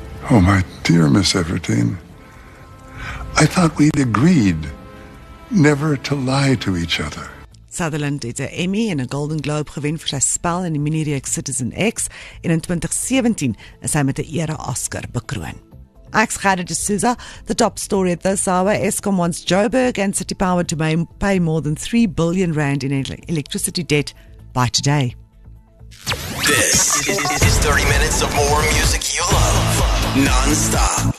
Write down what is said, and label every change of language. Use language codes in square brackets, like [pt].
[en] Oh, my dear Miss Everdeen, I thought we'd agreed never to lie to each other. [af] Sutherland het 'n Emmy en 'n Golden Globe gewen vir sy spel in die minireeks Citizen X en in 2017 is hy met 'n ere-Oscar bekroon. [en] Ek's Gerda de Souza, the top story at this hour, Eskom wants Joburg and City Power to pay more than 3 billion rand in electricity debt by today. This is 30 minutes of more music you love. Non-stop.